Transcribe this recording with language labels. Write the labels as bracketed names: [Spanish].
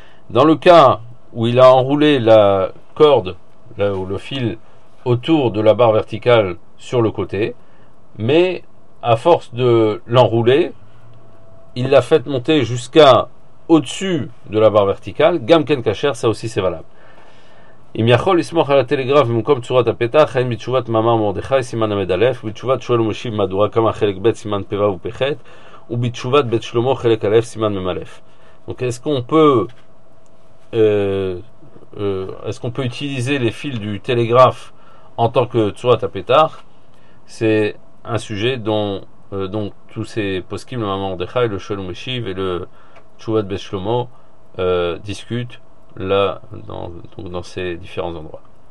[French] Dans le cas où il a enroulé la corde, là où le fil, autour de la barre verticale sur le côté, mais à force de l'enrouler, il l'a fait monter jusqu'à au-dessus de la barre verticale. [Hebrew] Gamken kasher, [French] ça aussi c'est valable. [Hebrew] אם יכול לסמוך על הטלגרף במקום צורת הפתח, האם בתשובת מאמר מרדכי סימן עמד א', בתשובת שואל ומשיב מהדורה כמה חלק ב' סימן פ' ו' פ' ובתשובת בית שלמה חלק א' סימן מ' א'. [French] Donc est-ce qu'on peut utiliser les fils du télégraphe en tant que tsurat apetach? C'est un sujet dont tous ces poskim, le maman Mordechai, le shalom meshiv et le tshuvat bet shlomo discutent là dans ces différents endroits.